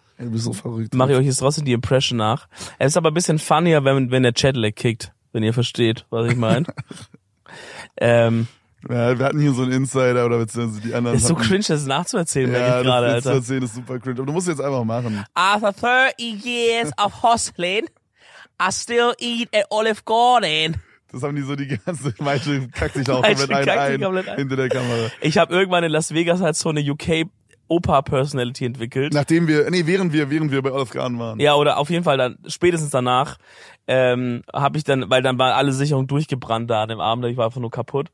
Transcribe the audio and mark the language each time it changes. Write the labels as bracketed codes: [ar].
[de] ey, bist du verrückt, mach ich euch jetzt trotzdem die Impression nach. Es ist aber ein bisschen funnier, wenn der Chatlag kickt, wenn ihr versteht, was ich meine. Ja, wir hatten hier so einen Insider oder beziehungsweise die anderen. Ist so cringe, das nachzuerzählen, ja, merke ich gerade, Alter. Das nachzuerzählen ist super cringe, aber du musst es jetzt einfach machen. [en] After 30 years of hustling, I still eat at Olive Garden. [de] Das haben die so die ganze, Michael kackt sich auch komplett ein hinter der Kamera. Ich habe irgendwann in Las Vegas halt so eine UK-Opa-Personality entwickelt. Nachdem wir, nee, während wir bei Olive Garden waren. Ja, oder auf jeden Fall dann, spätestens danach, habe ich dann, weil dann war alle Sicherungen durchgebrannt da an dem Abend, ich war einfach nur kaputt.